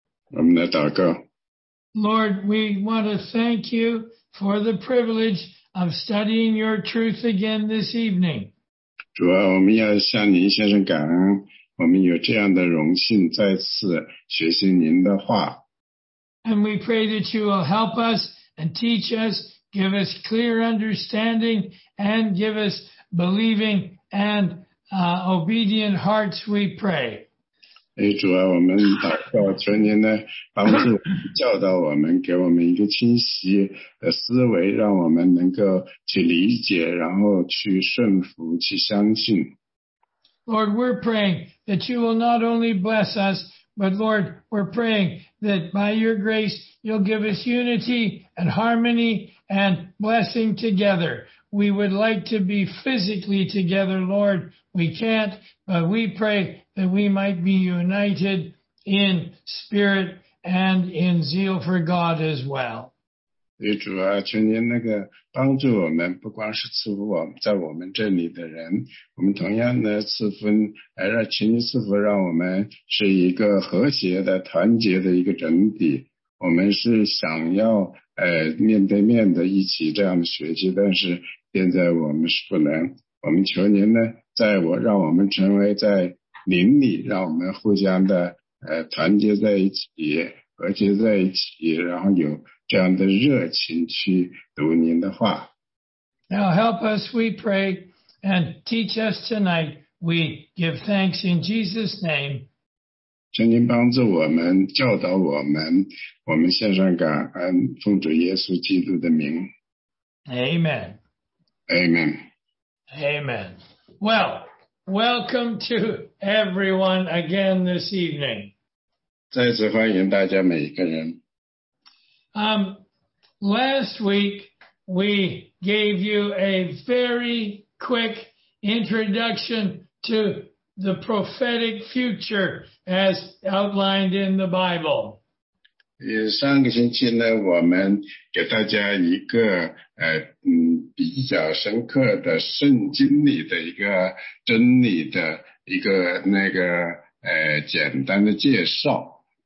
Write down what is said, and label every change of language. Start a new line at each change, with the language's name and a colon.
English: Lord, we want to thank you for the privilege of studying your truth again this evening.
Chinese: 主啊，我们要向您先生感恩，我们有这样的荣幸再次学习您的话。
English: And we pray that you will help us and teach us, give us clear understanding, and give us believing and obedient hearts, we pray.
Chinese: 哎，主啊，我们祷告，求您呢帮助教导我们，给我们一个清晰的思维，让我们能够去理解，然后去顺服，去相信。
English: Lord, we're praying that you will not only bless us, but Lord, we're praying that by your grace, you'll give us unity and harmony and blessing together. We would like to be physically together, Lord. We can't, but we pray that we might be united in spirit and in zeal for God as well.
Chinese: 对主啊，求您那个帮助我们，不光是赐福我们在我们这里的人，我们同样的赐福，来让求您赐福，让我们是一个和谐的、团结的一个整体。我们是想要面对面的一起这样的学习，但是现在我们是不能。我们求您呢，让我们成为在灵里，让我们互相的团结在一起，和谐在一起，然后有这样的热情去读您的话。
English: Now help us, we pray, and teach us tonight. We give thanks in Jesus' name.
Chinese: 求您帮助我们，教导我们，我们献上感恩，奉主耶稣基督的名。
English: Amen. Amen. Amen. Well, welcome to everyone again this evening.
Chinese: 再次欢迎大家每一个人。
English: Last week, we gave you a very quick introduction to the prophetic future as outlined in the Bible.
Chinese: 上个星期呢，我们给大家一个比较深刻的圣经里的一个真理的一个那个简单的介绍。